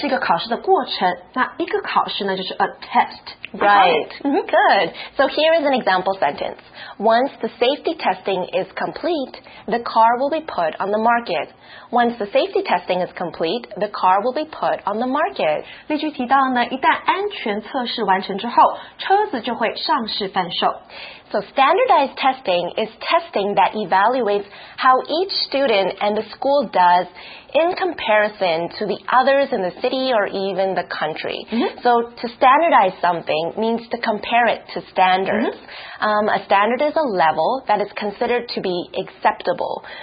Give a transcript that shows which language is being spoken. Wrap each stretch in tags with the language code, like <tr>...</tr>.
<zh>是一个考试的过程。那一个考试呢就是</zh> <en>a test. Right. Good. So here is an example sentence. Once the safety testing is complete, the car will be put on the market. Once the safety testing is complete, the car will be put on the market.</en> <zh>例句提到呢，一旦安全测试完成之后，车子就会上市贩售。</zh> <en>So standardized testing is testing that evaluates how each student and the school does in comparison to the others in the city or even the country. So to standardize something means to compare it to standards. A standard is a level that is considered to be acceptable.</en>